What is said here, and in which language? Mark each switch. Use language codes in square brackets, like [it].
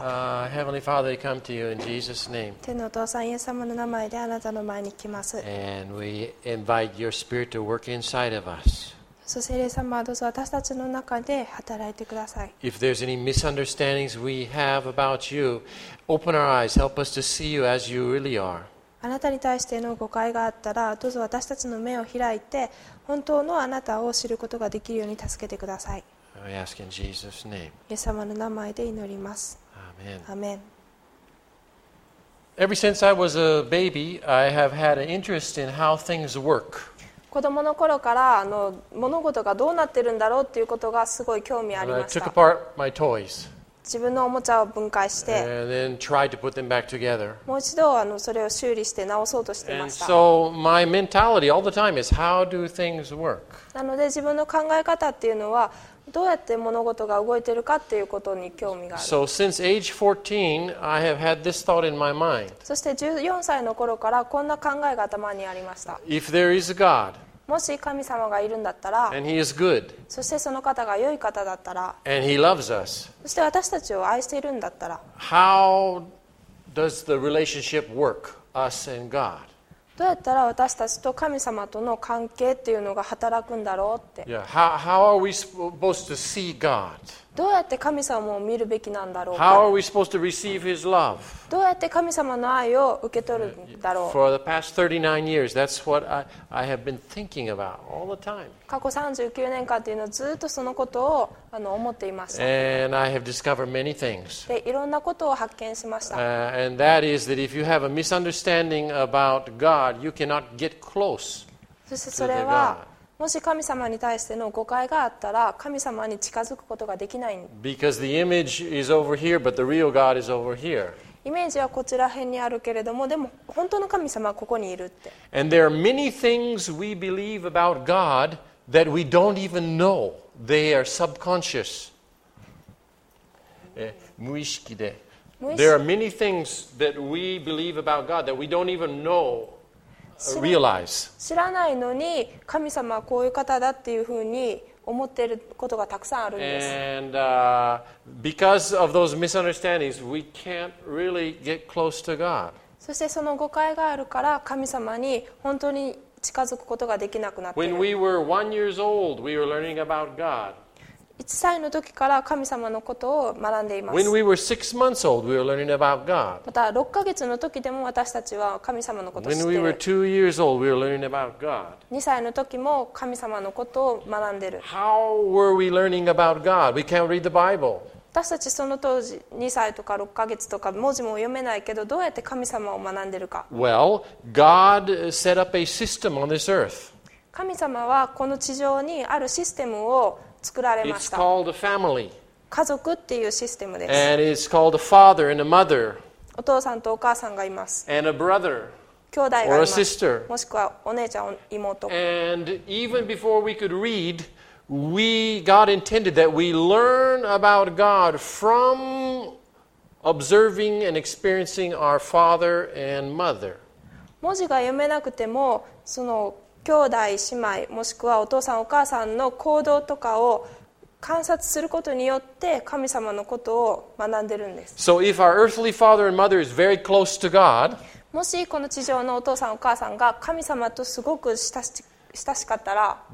[en] Heavenly Father, we come to you in Jesus' name. [ja] 天のお父さん、イエス様の名前であなたの前に来ます。 [en] And we invite your spirit to work inside of us. [ja] そして聖霊様、どうぞ私たちの中で働いてください。 [en] If there's any misunderstandings we have about you, open our eyes, help us to see you as you really are. [ja] あなたに対しての誤解があったら、どうぞ私たちの目を開いて、本当のあなたを知ることができるように助けてください。 [en] We ask in Jesus' name. [ja] イエス様の名前で祈ります。 [en] Amen. Amen. Ever since I was a baby, I have had an interest in how things work. [ja] 子供の頃から物事がどうなってるんだろうっていうことがすごい興味ありました。 [en] I took apart my toys. [ja] 自分のおもちゃを分解して、 [en] and then tried to put them back together. [ja] もう一度それを修理して直そうとしていました。 [en] And so my mentality all the time is how do things work. [ja] なので自分の考え方っていうのは、どうやって物事が動いているかっていうことに興味がある。 [en] So, since age 14, I have had this thought in my mind. [ja] そして14歳の頃からこんな考えが頭にありました。 [en] If there is a God, [ja] もし神様がいるんだったら、 [en] and he is good, [ja] そしてその方が良い方だったら、 [en] and he loves us, [ja] そして私たちを愛しているんだったら、 [en] how does the relationship work, us and God? [ja] どうやったら私たちと神様との関係っていうのが働くんだろうって。 [en] Yeah. How are we supposed to see God? [ja] どうやって神様を見るべきなんだろうか。 [en] How are we supposed to receive His love? [ja] どうやって神様の愛を受け取るんだろう。 [en] For the past 39 years, that's what I have been thinking about all the time. [ja] 過去39年間っていうのはずっとそのことを思っていました。 [en] And I have discovered many things. [ja] で、いろんなことを発見しました。 [en] And that is that if you have a misunderstanding about God, you cannot get close to the God. [ja] もし神様に対しての誤解があったら、神様に近づくことができない。 [en] Because the image is over here, but the real God is over here. [ja] イメージはこちら辺にあるけれども、でも本当の神様はここにいるって。 [en] And there are many things we believe about God that we don't even know. They are subconscious. [ja] 無意識で。 [en] There are many things that we believe about God that we don't even know. [ja] 知らないのに神様はこういう方だっていうふうに思っていることがたくさんあるんです。 [en] And, because of those misunderstandings, we can't really get close to God. [ja] そしてその誤解があるから神様に本当に近づくことができなくなっている [en] When we were 1 year old, we were learning about God. [ja] 1歳の時から神様のことを学んでいます。 [en] When we were 6 months old, we were learning about God. [ja] また6ヶ月の時でも私たちは神様のことを知っている。 [en] When we were 2 years old, we were learning about God. [ja] 2歳の時も神様のことを学んでいる。 [en] How were we learning about God? We can't read the Bible. [ja] 私たちその当時2歳とか6ヶ月とか文字も読めないけど、どうやって神様を学んでいるか。 [en] Well, God set up a system on this earth. [ja] 神様はこの地上にあるシステムを作られました。 [en] It's called a family. [ja] 家族っていうシステムです。 [en] And it's called a father and a mother. [ja] お父さんとお母さんがいます。 [en] And a brother. [ja] 兄弟がいます。 [en] Or a sister. [ja] もしくはお姉ちゃん、妹。 [en] And even before we could read, God intended that we learn about God from observing and experiencing our father and mother. [ja] 文字が読めなくても、その兄弟姉妹もしくはお父さんお母さんの行動とかを観察することによって神様のことを学んでるんです。 [en] So if our earthly father and mother is very close to God, [ja] もしこの地上のお父さんお母さんが神様とすごく親しかったら、